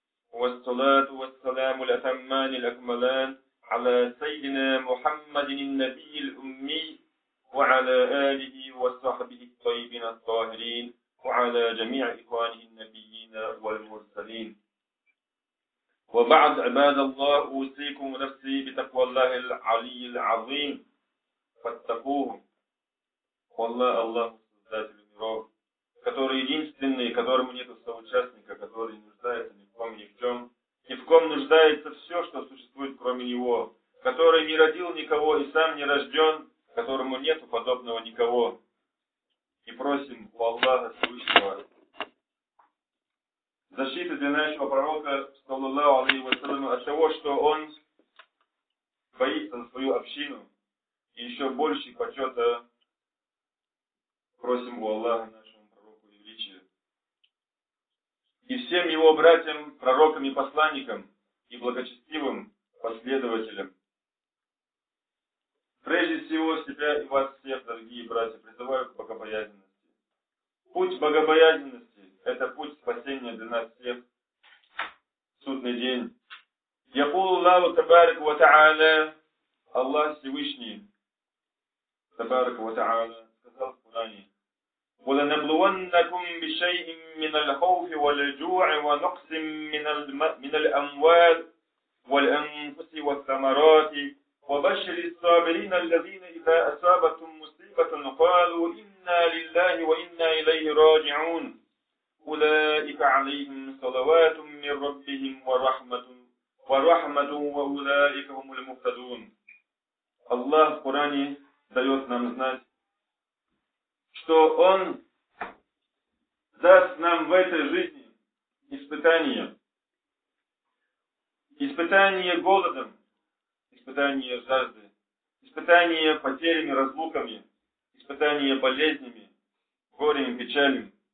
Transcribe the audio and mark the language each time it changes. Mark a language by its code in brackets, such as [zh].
[ar] والصلاة والسلام الأتمان الأكملان على سيدنا محمد النبي الأمي وعلى آله وصحبه الطيبين الطاهرين وعلى جميع إخوانه النبيين والمرسلين. وبعد، عباد الله، أوصيكم نفسي بتقوى الله العلي العظيم فاتقوه. والله الله [ru] создатель миров, который единственный, которому нет соучастника, который не нуждается ни в ком, ни в чем, ни в ком нуждается все, что существует кроме него, который не родил никого и сам не рожден, которому нет подобного никого. И просим у Аллаха Всевышнего защиты для нашего пророка, саллаллаху алейхи ва саллям, от того, что он боится за свою общину, и еще больше почета просим у Аллаха, нашему пророку и величию. И всем его братьям, пророкам и посланникам, и благочестивым последователям. Прежде всего, себя и вас всех, дорогие братья, призываю к богобоязненности. Путь богобоязненности – это путь спасения для нас всех в судный день. [ar] Якулу Аллаху табарак ва та'аля, [ru] Аллах Всевышний, табарак ва та'аля, сказал в Куране: [ar] وَلَنَبْلُوَنَّكُمْ بِشَيْءٍ مِّنَ الْخَوْفِ وَالْجُوعِ وَنُقْصٍ مِّنَ الْأَمْوَالِ وَالْأَنفُسِ وَالثَّمَرَاتِ وَبَشِّرِ الصَّابِرِينَ الَّذِينَ إِذَا أَصَابَتْهُم مُّصِيبَةٌ قَالُوا إِنَّا لِلَّهِ وَإِنَّا إِلَيْهِ رَاجِعُونَ أُولَٰئِكَ عَلَيْهِمْ صَلَوَاتٌ مِّن رَّبِّهِمْ وَرَحْمَةٌ وَأُولَٰئِكَ هُمُ الْمُهْتَدُونَ. الله القرآن [ru] даёт нам знать, что Он даст нам в этой жизни испытания. Испытание голодом, испытание жажды, испытание потерями, разлуками, испытание болезнями, горем, печалью.